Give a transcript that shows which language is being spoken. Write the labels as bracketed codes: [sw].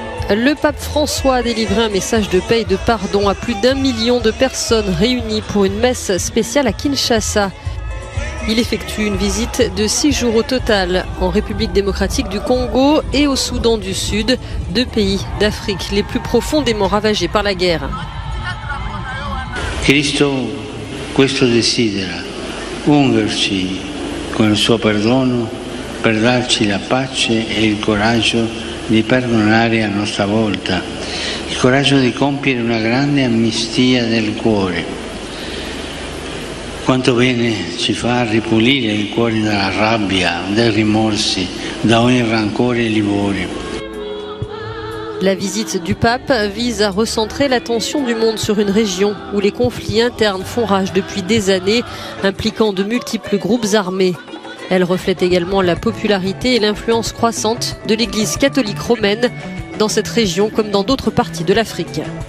[fr] Le pape François a délivré un message de paix et de pardon à plus d'un million de personnes réunies pour une messe spéciale à Kinshasa. Il effectue une visite de 6 jours au total en République démocratique du Congo et au Soudan du Sud, deux pays d'Afrique les plus profondément ravagés par la guerre. [it] Cristo, questo desidera, ungerci con il suo perdono per darci la pace e il coraggio di perdonare a nostra volta, il coraggio di compiere una grande amnistia del cuore. Quanto bene ci fa ripulire il cuore dalla rabbia, dai rimorsi, da ogni rancore e livore. [fr] La visite du pape vise à recentrer l'attention du monde sur une région où les conflits internes font rage depuis des années, impliquant de multiples groupes armés. Elle reflète également la popularité et l'influence croissante de l'Église catholique romaine dans cette région comme dans d'autres parties de l'Afrique.